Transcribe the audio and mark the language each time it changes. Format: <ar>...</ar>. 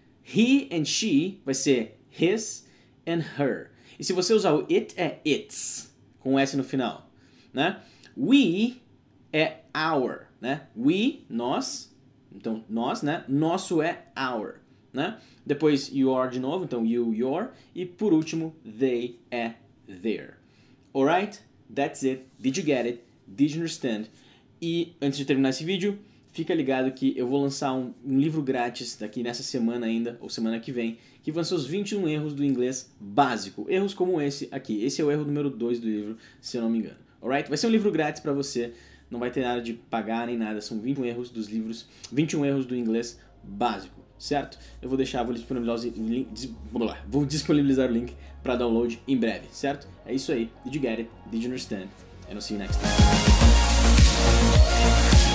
<en>He and she</en> <pt>vai ser</pt> <en>his and her.</en> <pt>E se você usar o it, é its, com um S no final, né? We é our, né? We, nós, então nós, né? Nosso é our, né? Depois you are de novo, então you, your. E por último,</pt> <en>they é their. Alright? That's it. Did you get it? Did you understand?</en> <pt>E antes de terminar esse vídeo, fica ligado que eu vou lançar um livro grátis daqui nessa semana ainda, ou semana que vem, que vão ser os 21 erros do inglês básico. Erros como esse aqui. Esse é o erro número 2 do livro, se eu não me engano. Alright? Vai ser um livro grátis pra você. Não vai ter nada de pagar nem nada. São 21 erros dos livros, 21 erros do inglês básico. Certo? Eu vou deixar, vou disponibilizar o link para download em breve. Certo? É isso aí.</pt> <en>Did you get it? Did you understand? And I'll see you next time.</en>